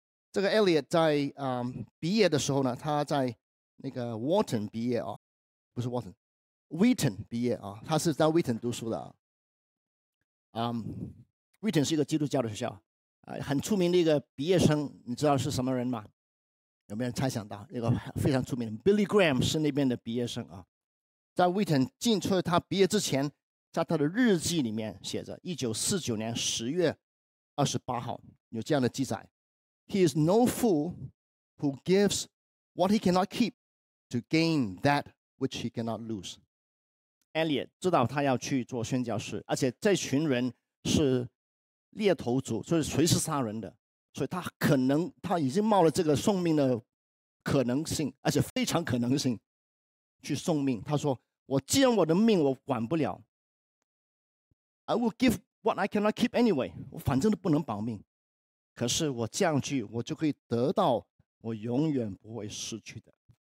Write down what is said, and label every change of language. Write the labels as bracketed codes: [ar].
[zh] 这个 Elliot 在毕业的时候呢，他在那个 Wharton 毕业啊，不是 Wharton，Wheaton 毕业啊，他是在 Wheaton 读书的啊。 Wheaton 是一个基督教的学校啊，很出名的一个毕业生，你知道是什么人吗？有没有人猜想到？一个非常出名的 Billy Graham 是那边的毕业生啊。在 Wheaton 进出他毕业之前，在他的日记里面写着1949年10月28号有这样的记载， [en] He is no fool who gives what he cannot keep to gain that which he cannot lose. [zh] Elliot 知道他要去做宣教士，而且这群人是猎头族，就是随时杀人的，所以他可能他已经冒了这个送命的可能性，而且非常可能性去送命。他说，我既然我的命我管不了， [en] I will give what I cannot keep anyway， [zh] 我反正都不能保命，可是我这样去，我就可以得到我永远不会失去的。